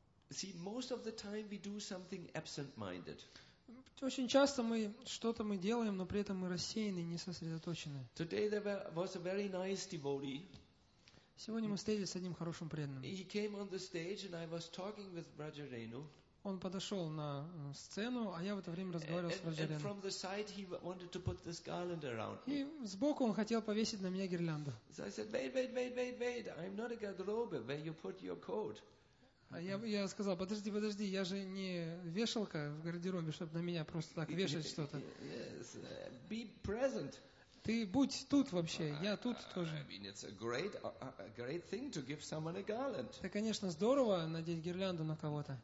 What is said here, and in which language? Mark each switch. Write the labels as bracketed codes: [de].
[en] See, most of the time we do something absent-minded. [ru] Очень часто мы что-то мы делаем, но при этом мы рассеяны, не сосредоточены. [en] Today there was a very nice devotee. [ru] Сегодня мы встретились с одним хорошим преданным. [en] He came on the stage and I was talking with Raja Renu. [ru] Он подошел на сцену, а я в это время разговаривал с Раджа Рену. [en] And from the side he wanted to put this garland around me. [ru] И сбоку он хотел повесить на меня гирлянду. [en] So I said, wait, I'm not a garderobe where you put your coat. [ru] Я сказал, подожди, я же не вешалка в гардеробе, чтобы на меня просто так вешать что-то. [en] Yes, be present. [ru] Ты будь тут вообще, я тут тоже. [en] I mean, it's a great thing to give someone a garland. [ru] Это, конечно, здорово надеть гирлянду на кого-то.